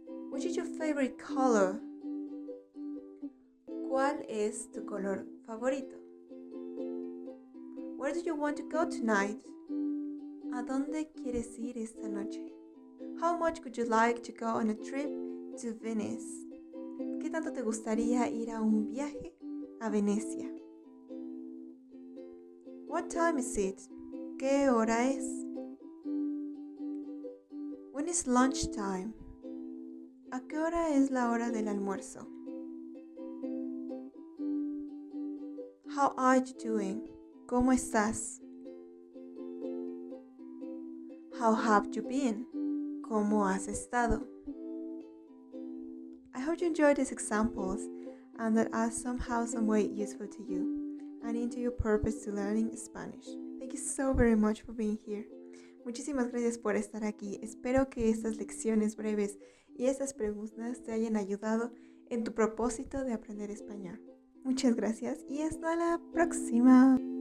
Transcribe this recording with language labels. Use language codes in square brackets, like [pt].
[en] Which is your favorite color? [es] ¿Cuál es tu color favorito? [en] Where do you want to go tonight? [es] ¿A dónde quieres ir esta noche? [en] How much would you like to go on a trip to Venice? [es] ¿Qué tanto te gustaría ir a un viaje a Venecia? [en] What time is it? [es] ¿Qué hora es? [en] When is lunch time? [es] ¿A qué hora es la hora del almuerzo? [en] How are you doing? [es] ¿Cómo estás? [en] How have you been? [es] ¿Cómo has estado? [en] hope you enjoyed these examples and that are somehow, some way useful to you and into your purpose to learning Spanish. Thank you so very much for being here. [es] Muchísimas gracias por estar aquí. Espero que estas lecciones breves y estas preguntas te hayan ayudado en tu propósito de aprender español. Muchas gracias y hasta la próxima.